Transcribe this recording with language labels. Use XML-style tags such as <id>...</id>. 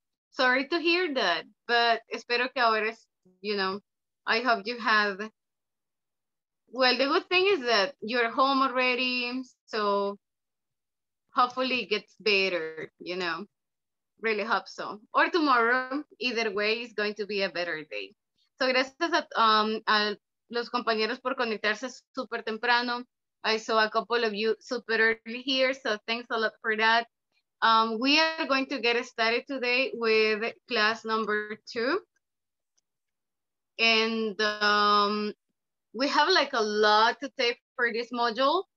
<en>Sorry to hear that, but</en> <es>espero que ahora,</es> <en>you know, I hope you have. Well, the good thing is that you're home already, so hopefully it gets better, you know. Really hope so. Or tomorrow, either way, is going to be a better day.</en> <es>So gracias a los compañeros por conectarse super temprano.</es> <en>I saw a couple of you super early here, so thanks a lot for that. We are going to get started today with class number 2. And we have like a lot to take for this module.</en>